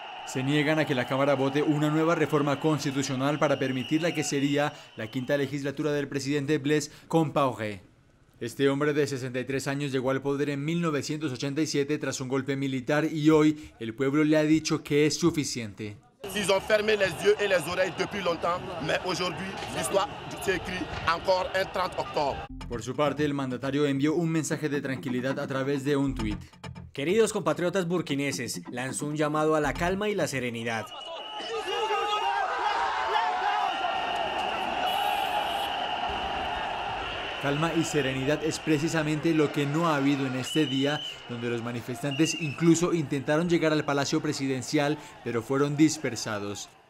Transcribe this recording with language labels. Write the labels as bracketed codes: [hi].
[es] Se niegan a que la Cámara vote una nueva reforma constitucional para permitir la que sería la quinta legislatura del presidente Blaise Compaoré. Este hombre de 63 años llegó al poder en 1987 tras un golpe militar y hoy el pueblo le ha dicho que es suficiente. [fr] Ils ont fermé les yeux et les oreilles depuis longtemps, mais aujourd'hui, l'histoire s'est écrite encore un 30 octobre. [es] Por su parte, el mandatario envió un mensaje de tranquilidad a través de un tuit. Queridos compatriotas burkineses, lanzó un llamado a la calma y la serenidad. Calma y serenidad es precisamente lo que no ha habido en este día, donde los manifestantes incluso intentaron llegar al Palacio Presidencial, pero fueron dispersados.